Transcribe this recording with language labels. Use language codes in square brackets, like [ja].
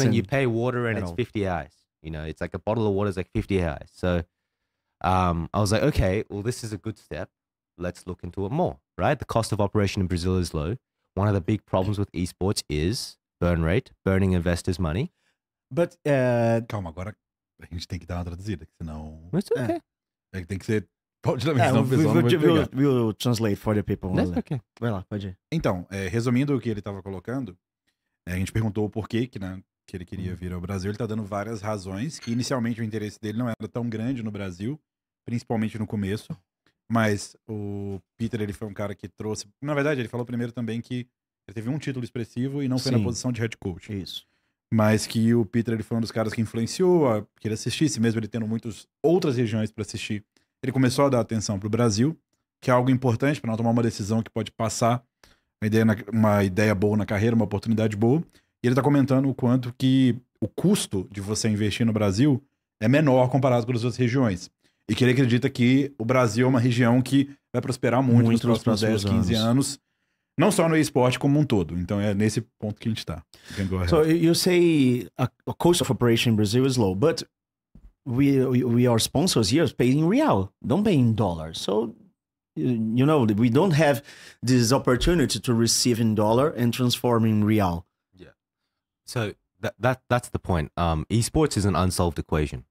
[en] I mean, you pay water and it's 50 reais. You know, it's like a bottle of water is like 50 reais. So I was like, okay, well, this is a good step. Let's look into it more, right? The cost of operation in Brazil is low. One of the big problems with esports is burn rate, burning investors' money. But [pt] calma, agora a gente tem que dar uma traduzida, que senão... [en] It's okay. [pt] É, tem que ser... Pode dar uma traduzida. [en] We'll translate for the people. That's okay. [pt] Vai lá, pode ir. Então, resumindo o que ele estava colocando, a gente perguntou o porquê que, né, que ele queria vir ao Brasil. Ele está dando várias razões, que inicialmente o interesse dele não era tão grande no Brasil, principalmente no começo. Mas o Peter, ele foi um cara que trouxe... Na verdade, ele falou primeiro também que ele teve um título expressivo e não foi na posição de head coach. Isso. Mas que o Peter, ele foi um dos caras que influenciou a que ele assistisse, mesmo ele tendo muitas outras regiões para assistir. Ele começou a dar atenção para o Brasil, que é algo importante para não tomar uma decisão que pode passar uma ideia boa na carreira, uma oportunidade boa. E ele está comentando o quanto que o custo de você investir no Brasil é menor comparado com as outras regiões. E que ele acredita que o Brasil é uma região que vai prosperar muito nos próximos 10, 15 anos. Não só no esporte, como um todo. Então é nesse ponto que a gente está. [en] So you say a cost of operation in Brazil is low, but we our sponsors here pay in real, don't pay in dollars. So, you know, we don't have this opportunity to receive in dollar and transform in real. Yeah. So that's the point. Esports is an unsolved equation.